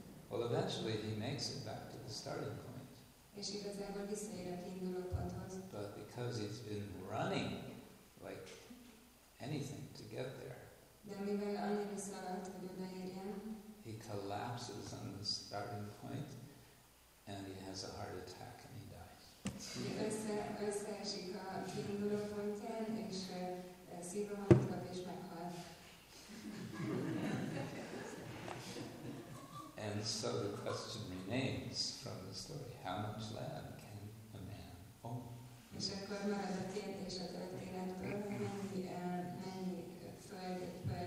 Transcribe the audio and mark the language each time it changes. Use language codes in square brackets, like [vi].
[en] Well, eventually he makes it back to the starting point. [hu] És igazából visszaérek indulatodhoz. [en] But because he's been running like anything to get there, [hu] de mivel annyira szaladt, hogy odaérjen, [en] he collapses on the starting point and he has a heart attack and he dies. [hu] Összeesik a kiinduló pontján, és szívrohamot kap és meghal. [en] And so the question remains from the story, how much land can a man own? [hu] És akkor marad a kérdés a történetből, mennyi földet egy